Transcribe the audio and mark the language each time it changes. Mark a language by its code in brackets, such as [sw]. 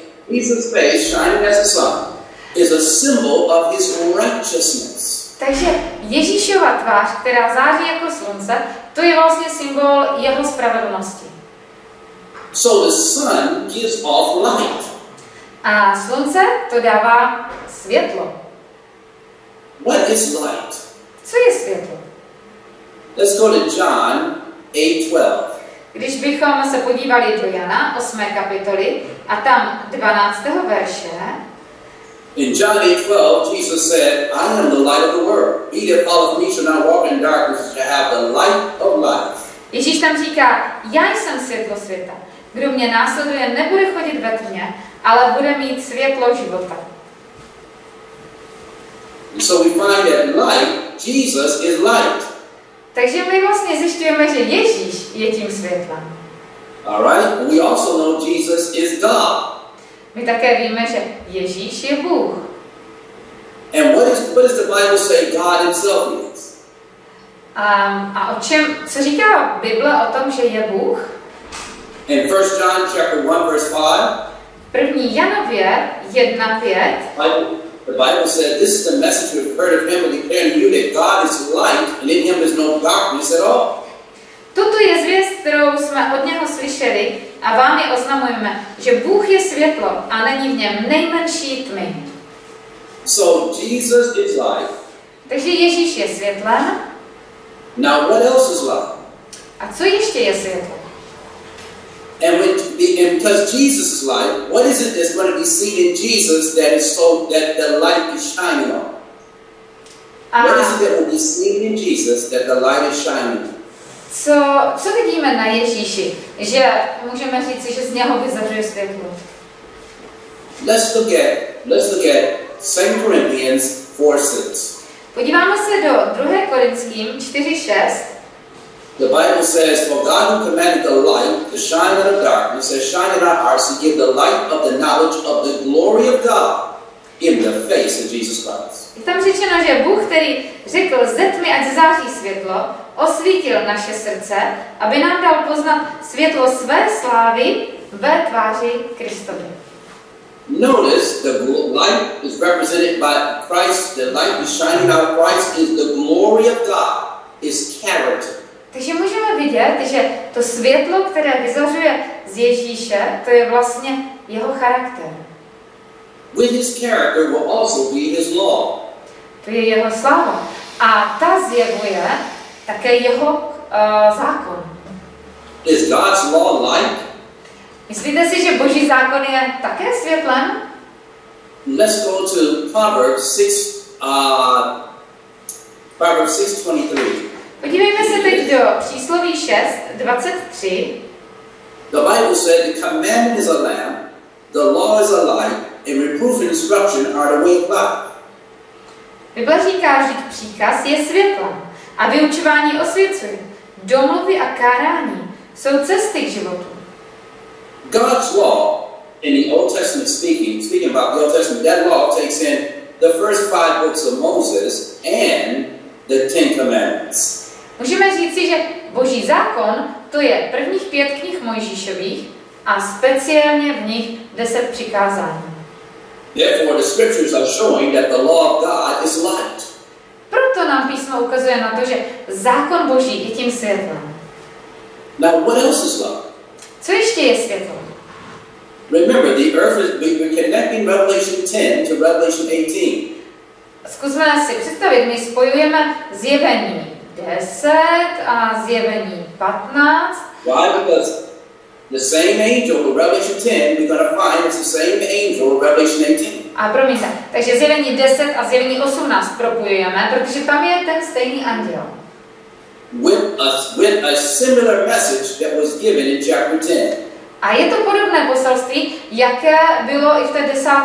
[en] Jesus' face shining as a sun is a symbol of his righteousness. [cs] Takže Ježíšova tvář, která září jako slunce, to je vlastně symbol jeho spravedlnosti. [en] So the sun gives off light. [cs] A slunce to dává světlo. [en] What is light? [cs] Co je světlo? [en] Let's go to John 8:12. [cs] Když bychom se podívali do Jana 8. kapitoly a tam 12. verše. [en] In John 8:12, Jesus said, I am the light of the world. He that followeth me shall not walk in darkness, but shall have the light of life. [cs] Ježíš tam říká, já jsem světlo světa. Kdo mě následuje, nebude chodit ve tmě, ale bude mít světlo života. [en] So we find that light, Jesus is light. [cs] Takže my vlastně zjišťujeme, že Ježíš je tím světlem. [en] All right. We also know Jesus is God. [cs] My také víme, že Ježíš je Bůh. [en] And what does the Bible say God himself is? [cs] A o čem, co říká Bible o tom, že je Bůh? [en] In 1 John chapter 1 verse 5. [cs] První Janově 1:5. [en] The Bible said, this is the message we've heard of him and declare to you that God is light and in him is no darkness at all. [cs] Toto je zvěst, kterou jsme od něho slyšeli a vám ji oznamujeme, že Bůh je světlo a není v něm nejmenší tmy. [en] So Jesus is light. [cs] Takže Ježíš je světlem. [en] Now what else is light? [cs] A co ještě je světlo? [en] And because Jesus is light, what is it that's going to be seen in Jesus that is so that the light is shining on? What is it that will be seen in Jesus that the light is shining on? [cs] Co vidíme na Ježíši, že můžeme říci, že z něho vyzařuje světlo? [en] Let's look at 2 Corinthians 4:6. [cs] Podíváme se do 2. Korinským 4:6. [en] The Bible says, for God who commanded the light to shine out of darkness has shined in our hearts to give the light of the knowledge of the glory of God in the face of Jesus Christ. [cs] Je tam řečeno, že Bůh, který řekl, ze tmy ať září světlo, osvítil naše srdce, aby nám dal poznat světlo své slávy ve tváři Kristovi. [en] Notice the light is represented by Christ, the light is shining out of Christ is the glory of God, his character. [cs] Takže můžeme vidět, že to světlo, které vyzařuje z Ježíše, to je vlastně jeho charakter. [en] With his character will also be his law. [cs] To je jeho sláva. A ta zjevuje také jeho zákon. [en] Is God's law light? [cs] Myslíte si, že Boží zákon je také světlem? [en] Let's go to Proverbs 6:23. [cs] Podívejme se teď do přísloví 6:23. [en] The Bible said, the commandment is a lamp, the law is a light, and reproof and instruction are the way of life. [cs] Bible říká, že příkaz je světlo a vyučování osvěcuje. Domluvy a kárání jsou cesty k životu. [en] God's law, in the Old Testament speaking about the Old Testament, that law takes in the first five books of Moses and the Ten Commandments. [cs] Můžeme říci, že Boží zákon to je prvních pět knih Mojžíšových a speciálně v nich 10 přikázání. [en] Therefore the scriptures are showing that the law of God is light. [cs] Proto nám písmo ukazuje na to, že zákon Boží je tím světlem. [en] Now what else is light? [cs] Co ještě je světlo? [en] Remember the earth is connecting Revelation 10 to Revelation 18. [cs] Zkusme si představit, my spojujeme zjevení 10 a zjevení 15. [en] Why? Because the same angel in Revelation 10, we're going to find it's the same angel in Revelation 18. [cs] A promiňte, takže zjevení 10 a zjevení 18 propojujeme, protože tam je ten stejný anděl. [en] With a similar message that was given in chapter 10. [cs] A je to podobné poselství, jaké bylo i v té 10.